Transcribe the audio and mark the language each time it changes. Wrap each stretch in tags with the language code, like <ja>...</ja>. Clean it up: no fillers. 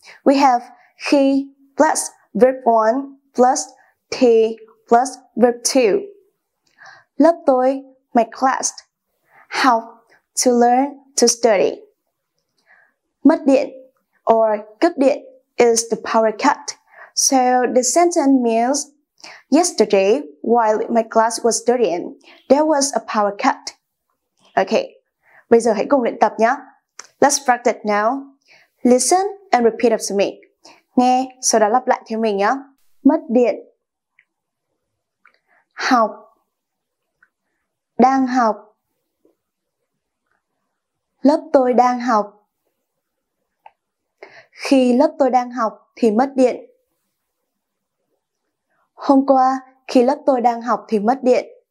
<en>We have khi plus verb 1 plus thì plus verb 2. Lớp tôi, my class, học, to learn, to study. Mất điện or cúp điện is the power cut. So the sentence means, yesterday, while my class was studying, there was a power cut.</en> <vi>Okay, bây giờ hãy cùng luyện tập nhé.</vi> <en>Let's practice now. Listen and repeat up to me.</en> <vi>Nghe, sau đó lặp lại theo mình nhé. Mất điện. Học, đang học, lớp tôi đang học, khi lớp tôi đang học thì mất điện, hôm qua khi lớp tôi đang học thì mất điện.</vi>